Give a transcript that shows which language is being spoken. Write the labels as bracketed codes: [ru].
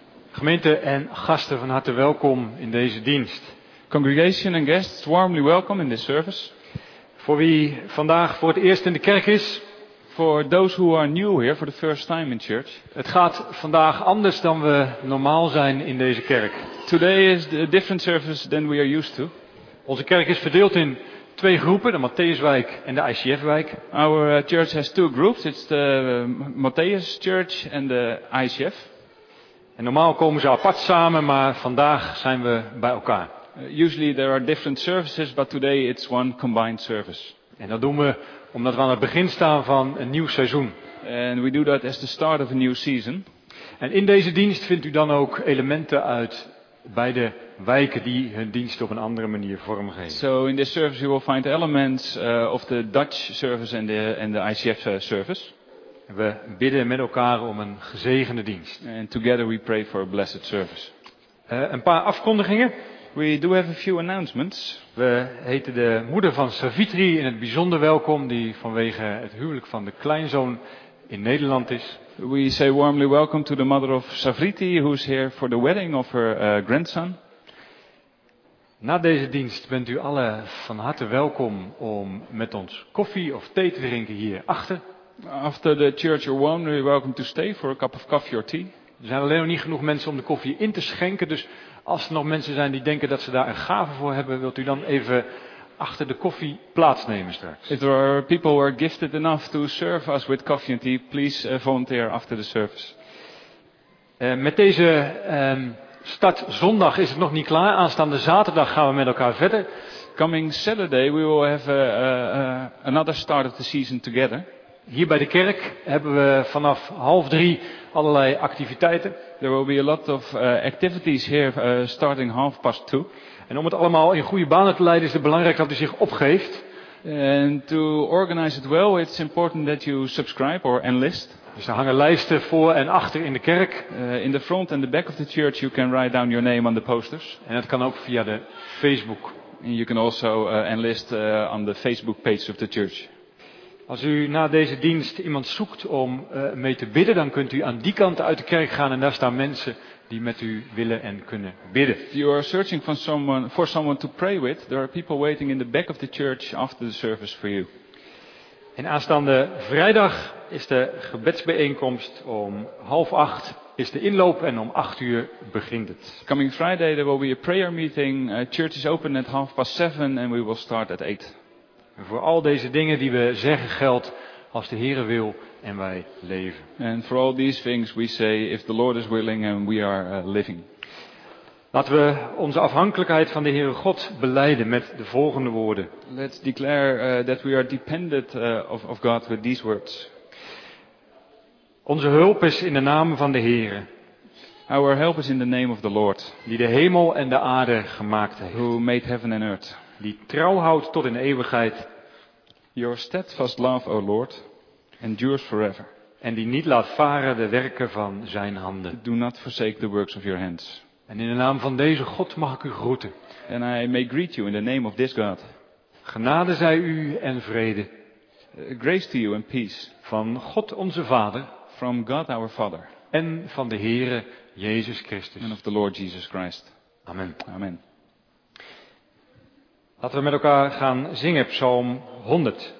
[nl] Gemeente en gasten, van harte welkom in deze dienst. [en] Congregation and guests, warmly welcome in this service. [nl] Voor wie vandaag voor het eerst in de kerk is. [en] For those who are new here, for the first time in church. [nl] Het gaat vandaag anders dan we normaal zijn in deze kerk. [en] Today is a different service than we are used to. [nl] Onze kerk is verdeeld in twee groepen, de Matthäuswijk en de ICF-wijk. [en] Our church has two groups, it's the Matthäus Church and the ICF. [nl] En normaal komen ze apart samen, maar vandaag zijn we bij elkaar. [en] Usually there are different services, but today it's one combined service. [nl] En dat doen we omdat we aan het begin staan van een nieuw seizoen. [en] And we do that as the start of a new season. [nl] En in deze dienst vindt u dan ook elementen uit bij de wijken die hun dienst op een andere manier vormgeven. [en] So in this service you will find elements of the Dutch service and the ICF service. [nl] We bidden met elkaar om een gezegende dienst. [en] And together we pray for a blessed service. [nl] Een paar afkondigingen. [en] We do have a few announcements. [nl] We heten de moeder van Savitri in het bijzonder welkom, die vanwege het huwelijk van de kleinzoon in Nederland is. [en] We say warmly welcome to the mother of Savitri, who is here for the wedding of her grandson. [nl] Na deze dienst bent u alle van harte welkom om met ons koffie of thee te drinken hier achter. [en] After the church, you're warmly welcome to stay for a cup of coffee or tea. [nl] Er zijn alleen nog niet genoeg mensen om de koffie in te schenken, dus als er nog mensen zijn die denken dat ze daar een gave voor hebben, wilt u dan even achter de koffie plaatsnemen straks. [en] If there are people who are gifted enough to serve us with coffee and tea, please volunteer after the service. [nl] Met deze start zondag is het nog niet klaar. Aanstaande zaterdag gaan we met elkaar verder. [en] Coming Saturday we will have another start of the season together. [nl] Hier bij de kerk hebben we vanaf 2:30 allerlei activiteiten. [en] There will be a lot of activities here starting 2:30. [nl] En om het allemaal in goede banen te leiden is het belangrijk dat u zich opgeeft. [en] And to organize it well, it's important that you subscribe or enlist. [nl] Dus er hangen lijsten voor en achter in de kerk. [en] In the front and the back of the church you can write down your name on the posters. [nl] En dat kan ook via de Facebook. [en] And you can also enlist on the Facebook page of the church. [nl] Als u na deze dienst iemand zoekt om mee te bidden, dan kunt u aan die kant uit de kerk gaan en daar staan mensen die met u willen en kunnen bidden. [en] If you are searching for someone to pray with, there are people waiting in the back of the church after the service for you. [nl] En aanstaande vrijdag is de gebedsbijeenkomst om 7:30 is de inloop en om 8:00 begint het. [en] Coming Friday there will be a prayer meeting. Church is open at 7:30 and we will start at 8:00. [nl] En voor al deze dingen die we zeggen geldt als de Heere wil en wij leven. [en] And for all these things we say if the Lord is willing and we are living. [nl] Laten we onze afhankelijkheid van de Heere God belijden met de volgende woorden. [en] Let's declare that we are dependent of God with these words. [nl] Onze hulp is in de naam van de Heere. [en] Our help is in the name of the Lord. [nl] Die de hemel en de aarde gemaakt heeft. [en] Who made heaven and earth. [nl] Die trouw houdt tot in eeuwigheid. [en] Your steadfast love, O Lord, endures forever. [nl] En die niet laat varen de werken van zijn handen. [en] Do not forsake the works of your hands. [nl] En in de naam van deze God mag ik u groeten. [en] And I may greet you in the name of this God. [nl] Genade zij u en vrede. [en] Grace to you and peace. [nl] Van God onze Vader. [en] From God our Father. [nl] En van de Heere Jezus Christus. [en] And of the Lord Jesus Christ. [nl] Amen. [en] Amen. [nl] Laten we met elkaar gaan zingen Psalm 100.